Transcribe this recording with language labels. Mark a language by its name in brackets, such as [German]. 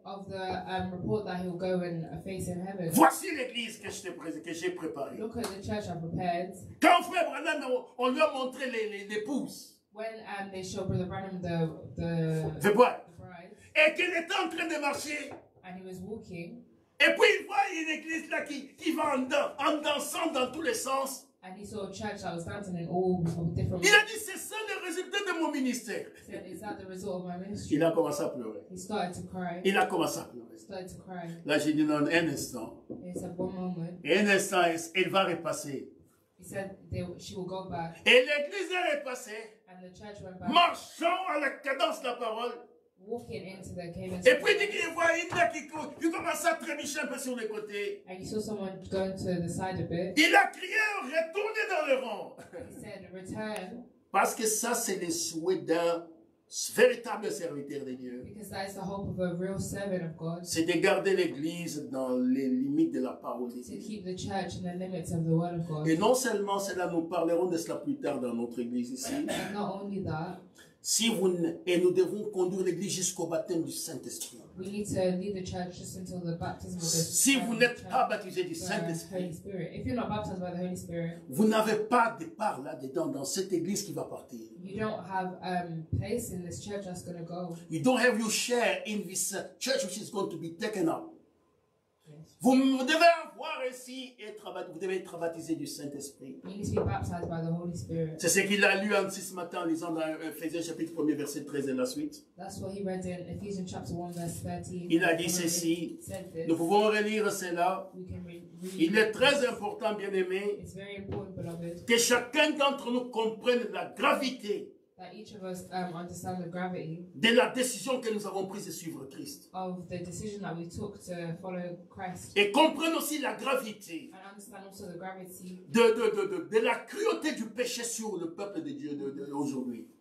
[English] Of the report that he'll go and face in heaven. [French] Voici l'église que j'ai préparée. [English] Look at the church I prepared. [French] Quand frère Branham, on lui a montré les épouses. [English] When they showed brother Branham the bride. The bride. [French] Et qu'il était en train de marcher. [English] And he was walking. [French] Et puis il voit une église là qui va en dansant dans tous les sens. [English] And he saw a church that was dancing in all different [French] ways. Il a dit, c'est ça le résultat de mon ministère. [English] Is that the result of my ministry? [French] Il a commencé à pleurer. [English] He started to cry. [French] Il a commencé à pleurer. [English] He started to cry. [French] Là, j'ai dit, non, un instant. [English] It's a [French] bon moment. Et un instant, elle va repasser. [English] He said, she will go back. [French] Et l'église est repassée. [English] And the church went back. [French] Marchant à la cadence de la parole. [English] Walking into the cave. [French] Et puis, il voit une là qui court. Il commence à trébucher un peu sur les côtés. [English] And he saw someone going to the side a bit. [French] Il a crié, retournez dans le rang. [English] He said, return. [French] Parce que ça, c'est le souhait d'un véritable serviteur de Dieu. [English] Because that is the hope of a real servant of God. [French] C'est de garder l'église dans les limites de la parole de Dieu. [English] To keep the church in the limits of the word of God. [French] Et non seulement cela, nous parlerons de cela plus tard dans notre église ici. [English] Not only that. [French] Si vous et nous devons conduire l'église jusqu'au baptême du Saint-Esprit. [English] We need to lead the church just until the baptism of the [French] Saint-Esprit. Si vous n'êtes pas baptisé du Saint-Esprit. [English] If you're not baptized by the Holy Spirit. [French] Vous n'avez pas de part là-dedans dans cette église qui va partir. [English] You don't have place in this church that's going to go. You don't have your share in this church which is going to be taken up. [French] Vous devez avoir ici et vous devez être baptisé du Saint-Esprit. [English] You need to be baptized by the Holy Spirit. [French] C'est ce qu'il a lu ainsi ce matin en lisant dans Ephésiens chapitre 1 verset 13 et la suite. [English] That's what he read in Ephesians chapter 1 verse 13. [French] Il a dit ceci. Nous pouvons relire cela. Il est très important, bien aimé, que chacun d'entre nous comprenne la gravité. [English] That each of us understand the gravity [French] de la décision que nous avons prise de suivre Christ. [English] Of the decision that we took to follow Christ. [French] Et comprenne aussi la gravité. [English] And understand also the gravity. [French] De la cruauté du péché sur le peuple de Dieu aujourd'hui.